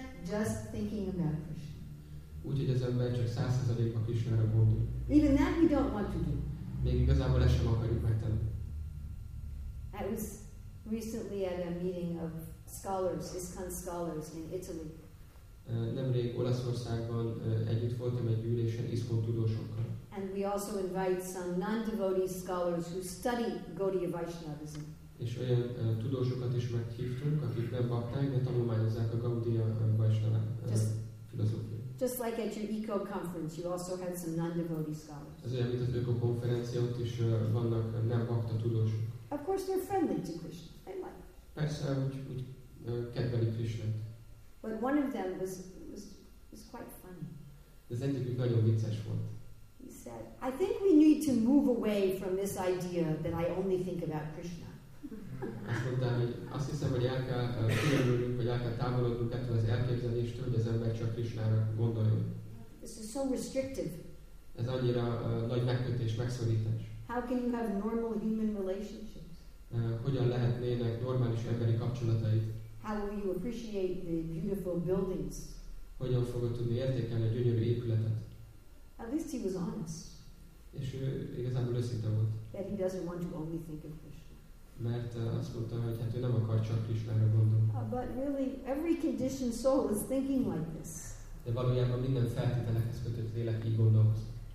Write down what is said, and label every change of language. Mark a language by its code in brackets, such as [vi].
[en] 100% just thinking about Krishna. [hu] Úgy, hogy az ember csak 100%-ba Krishnára gondol. [en] Even that we don't want to do. [hu] Még igazából ezt sem akarjuk megtenni. [en] I was recently at a meeting of scholars, ISKCON scholars in Italy. [hu] Nemrég Olaszországban együtt voltam egy gyűlésen ISKCON tudósokkal. [en] And we also invite some non-devotee scholars who study Gaudiya Vaishnavism. [hu] És olyan tudósokat is meghívtunk, akik nem bakták, de tanulmányozzák a Gaudiya Vaishnavism filozófiát. [en] Just like at your eco conference, you also had some non-devotee scholars. [hu] Ez olyan, mint az eco konferencián, ott is vannak nem bakta tudósok. [en] Of course, they're friendly to Krishna. They like. [hu] Persze, úgy kedveli Krishnát. [en] But one of them was quite funny. [hu] Az egyikük nagyon vicces volt. [en] He said, "I think we need to move away from this idea that I only think about Krishna." [hu] Azt mondta, hogy azt hiszem, hogy el kell különülnünk, vagy el kell távolodnunk ettől az elképzeléstől, hogy az ember csak Krishnára gondoljon. [en] This is so restrictive. [hu] Ez annyira nagy megkötés, megszorítás. [en] How can you have normal human relationships? [hu] Hogyan lehetnének normális emberi kapcsolataid? [en] How will you appreciate the beautiful buildings? [hu] Hogyan fogod tudni értékelni a gyönyörű épületet? [en] At least he was honest. [hu] És ő igazából őszinte volt. [en] That he doesn't want to only think of Krishna. [hu] Mert azt mondta, hogy hát ő nem akar csak Krishnára gondolni. [en] But really, every conditioned soul is thinking like this. [hu] De valójában minden feltételekhez kötött lélek így gondolkozik.